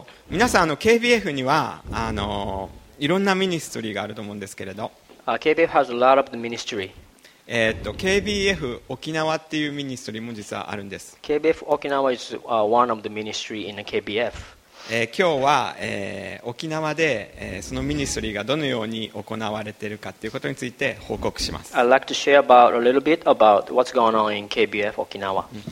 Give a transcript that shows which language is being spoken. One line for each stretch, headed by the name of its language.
Japanese: 皆さん KBF にはいろんなミニストリーがあると思うんですけれど、
English: KBF has a lot of the ministry.
Japanese: KBF 沖縄っていうミニストリーも実はあるんです。
English: KBF 沖縄 is one of the ministry in KBF.
Japanese: 今日は、沖縄で、そのミニストリーがどのように行われているかということについて報告します。
English: I'd like to share about a little bit about what's going on in KBF 沖縄。